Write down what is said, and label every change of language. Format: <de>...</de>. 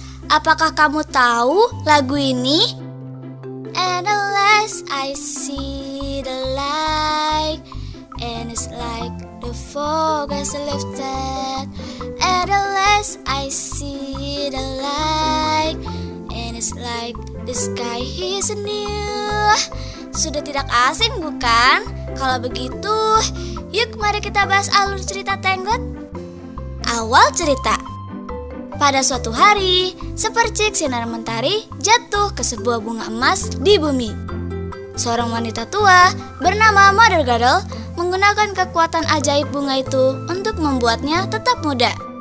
<id>apakah kamu tahu lagu ini?</id> <en>And the less I see the light, and it's like the fog has lifted. And the less I see the light, and it's like the sky is new.</en> <id>Sudah tidak asing bukan? Kalau begitu, yuk mari kita bahas alur cerita Tanglet. Awal cerita. Pada suatu hari, sepercik sinar mentari jatuh ke sebuah bunga emas di bumi. Seorang wanita tua bernama Mother Gothel menggunakan kekuatan ajaib bunga itu untuk membuatnya tetap muda.</id>